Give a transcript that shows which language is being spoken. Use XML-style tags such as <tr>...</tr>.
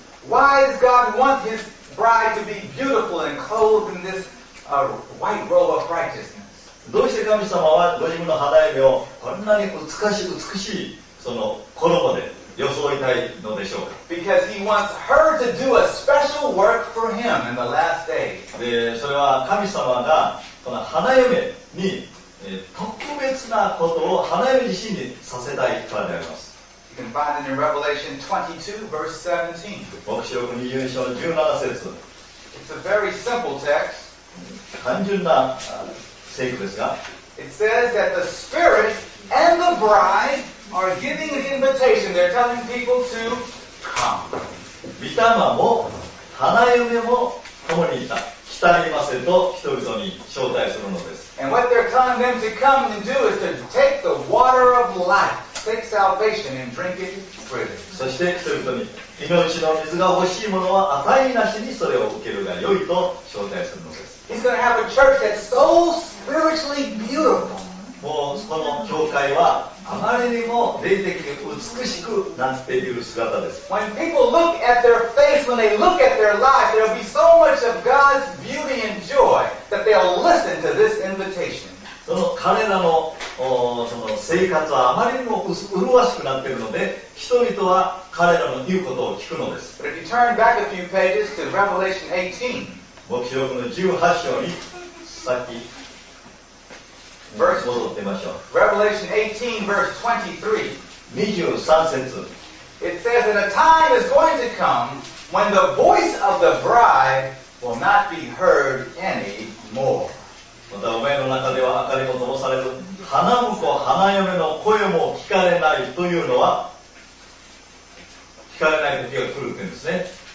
<en>Why does God want His bride to be beautiful and clothed in this white robe of righteousness?</en> <ja>どうして神様はご自分の花嫁をこんなに美しいその衣で装いたいのでしょうか?</ja> <en>Because He wants her to do a special work for Him in the last days.</en> <ja>で、それは神様がこの花嫁に特別なことを花嫁自身にさせたいからであります。</ja> <en>You can find it in Revelation 22, verse 17.</en> <ja>黙示録22章 17節。</ja> <en>It's a very simple text.</en> <ja>単純な聖句ですが。</ja> <en>It says that the Spirit and the Bride are giving an invitation. They're telling people to come.</en> <ja>御霊も花嫁も共にいた。来従いませと人々に招待するのです。</ja> <en>And what they're telling them to come and do is to take the water of life, take salvation and drink it freely.</en> <ja>そして人々に命の水が欲しいものは与えなしにそれを受けるがよいと招待するのです。</ja> <en>He's going to have a church that's so spiritually beautiful.</en> <ja>もうその教会はあまりにも霊的に美しくなっている姿です。</ja> <en>When people look at their face, when they look at their life, there will be so much of God's beauty and joy that they'll listen to this invitation.</en> <ja>その彼ら の, その生活はあまりにも麗しくなっているので、人々は彼らの言うことを聞くのです。</ja> <en>But if you turn back a few pages to Revelation 18,</en> <ja>目標の18章に、さっき、</ja> <en>Verse,</en> <ja>戻ってみましょう。</ja> <en>Revelation 18, verse</en> <ja>23. 23節。</ja> <en>It says, and a time is going to come when the voice of the bride will not be heard anymore.</en> <ja>またお前の中では明かりも灯される。花婿、花嫁の声も聞かれないというのは、聞かれない時が来るというんですね。</ja>